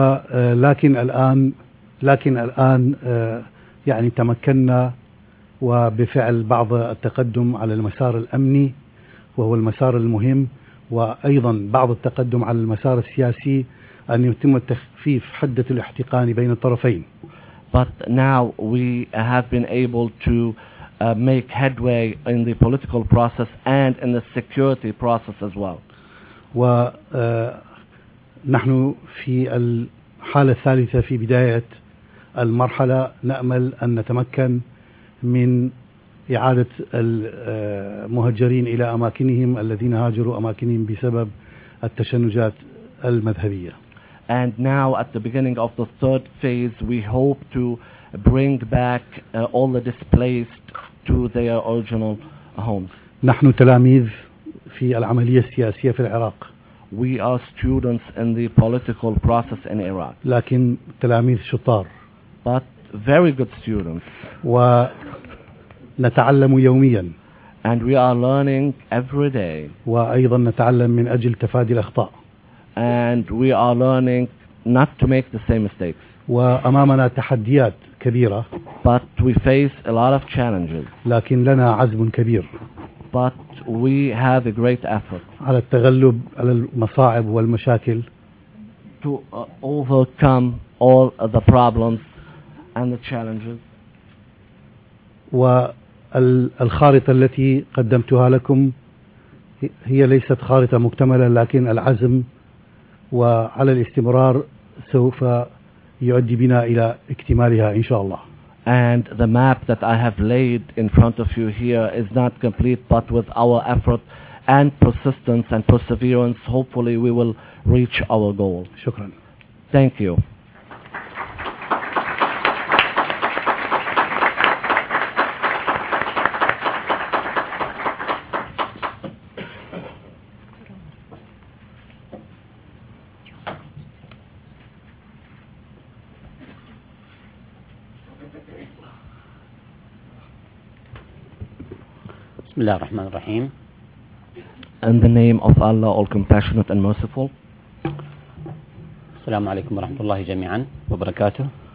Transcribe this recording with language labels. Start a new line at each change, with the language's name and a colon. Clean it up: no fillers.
Arabic: ولكن الآن يعني تمكننا وبفعل بعض التقدم على المسار الأمني وهو المسار المهم وأيضا بعض التقدم على المسار السياسي أن يتم تخفيف حدة الاحتقان بين الطرفين.
English: But now we have been able to make headway in the political process and in the security process as well.
Arabic: ونحن في الحالة الثالثة في بداية المرحلة نأمل أن نتمكن من إعادة المهجرين إلى أماكنهم الذين هاجروا أماكنهم بسبب التشنجات المذهبية.
English: And now at the beginning of the third phase, we hope to bring back all the displaced to their original homes.
Arabic: نحن تلاميذ في العملية السياسية في العراق.
English: We are students in the political process in Iraq.
Arabic: لكن تلاميذ شطار.
English: But very good students.
Arabic: ونتعلم يوميا.
English: And we are learning every day.
Arabic: وأيضا نتعلم من أجل تفادي الأخطاء.
English: And we are learning not to make the same mistakes.
Arabic: وأمامنا تحديات ك كبيرة.
English: But we face a lot of challenges.
Arabic: لكن لنا عزم كبير.
English: But we have a great effort.
Arabic: على التغلب على المصاعب والمشاكل.
English: To overcome all the problems and the challenges.
Arabic: والخارطة التي قدمتها لكم هي ليست خارطة مكتملة لكن العزم وعلى الاستمرار سوف يؤدي بنا إلى اكتمالها إن شاء الله.
English: And the map that I have laid in front of you here is not complete, but with our effort and persistence and perseverance, hopefully we will reach our goal.
Arabic: شكرا.
English: Thank you.
Arabic: بسم الله الرحمن الرحيم.
English: In the name of Allah, all compassionate and merciful.
Arabic: السلام عليكم ورحمة الله جميعا وبركاته.